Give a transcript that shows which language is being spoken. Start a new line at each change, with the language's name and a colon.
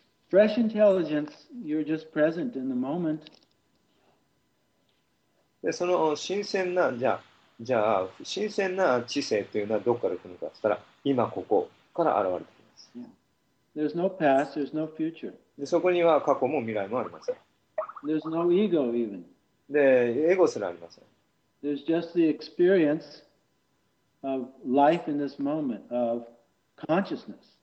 English: Fresh intelligence, you're just present in the moment.
Japanese: で、その新鮮な、じゃあ新鮮な知性というのはどこから来るかといったら、今ここから現れてきます。
English: Yeah. There's no past, there's no future.
Japanese: で、そこには過去も未来もありません。
English: There's no ego even.
Japanese: で、エゴすらありません。
English: There's just the experience of life in this moment of consciousness.